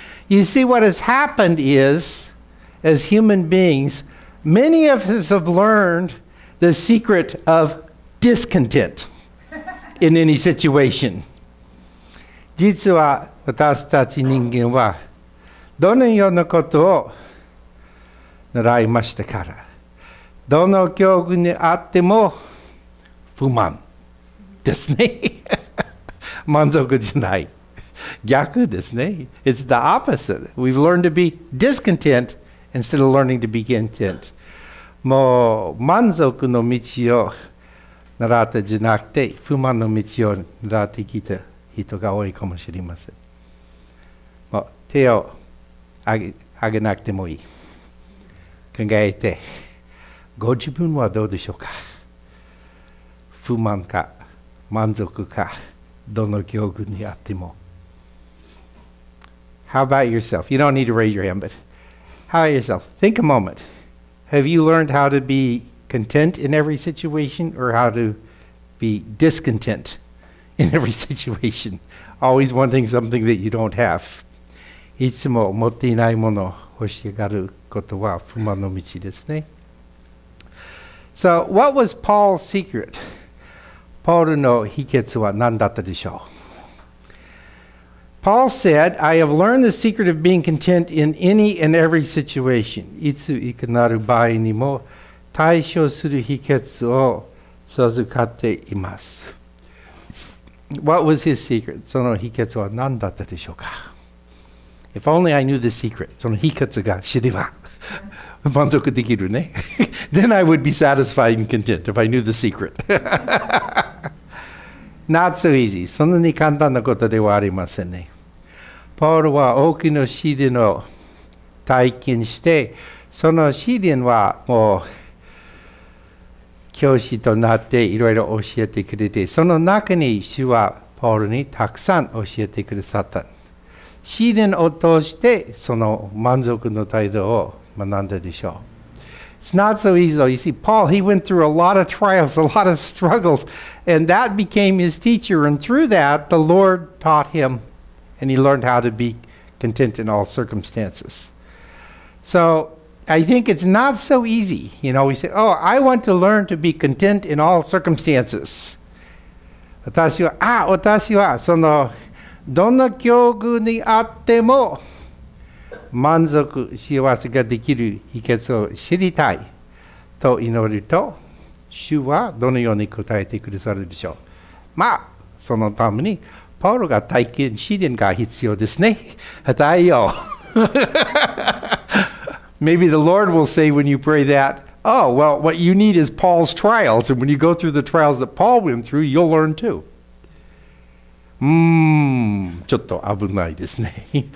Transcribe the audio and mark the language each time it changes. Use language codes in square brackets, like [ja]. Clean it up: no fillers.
[en] You see, what has happened is, as human beings, many of us have learned the secret of discontent. In any situation. [ja] 実は私たち人間はどのようなことを習いましたから、どの境遇にあっても不満ですね。満足じゃない。逆ですね。 [en] It's the opposite. We've learned to be discontent instead of learning to be content. [ja] もう満足の道を習ったじゃなくて不満の道を習ってきた人が多いかもしれません。もう手を上げなくてもいい。考えてご自分はどうでしょうか。不満か満足か、どの境遇にあっても。 [en] How about yourself? You don't need to raise your hand, but how about yourself? Think a moment. Have you learned how to be content in every situation or how to be discontent in every situation? Always wanting something that you don't have. [ja] いつも持っていないものを欲しがることは不満の道ですね。 [en] So what was Paul's secret? [ja] Paul の秘訣は何だったでしょう? [en] Paul said, I have learned the secret of being content in any and every situation. [ja] いついかなる場合にも対処する秘訣を授かっています。 [en] What was his secret? [ja] その秘訣は何だったでしょうか? [en] If only I knew the secret. [ja] その秘訣が知れば。満足できるね。 [en] Then I would be satisfied and content if I knew the secret. Not so easy. [ja] そんなに簡単なことではありませんね。パウロは多くの試練を体験して、その試練はもう教師となっていろいろ教えてくれて、その中に主はパウロにたくさん教えてくださった。試練を通してその満足の態度を学んだでしょう。 [en] It's not so easy though. You see, Paul, he went through a lot of trials, a lot of struggles, and that became his teacher. And through that, the Lord taught him, and he learned how to be content in all circumstances. So I think it's not so easy. You know, we say, oh, I want to learn to be content in all circumstances. [ja] 私はそのどんな境遇にあっても満足幸せができる秘訣を知りたいと祈ると、主はどのように答えてくださるでしょう。まあ、そのためにパウロが体験試練が必要ですね。答えよう。 [en] Maybe the Lord will say when you pray that, oh, well, what you need is Paul's trials, and when you go through the trials that Paul went through, you'll learn too. [ja] ちょっと危ないですね。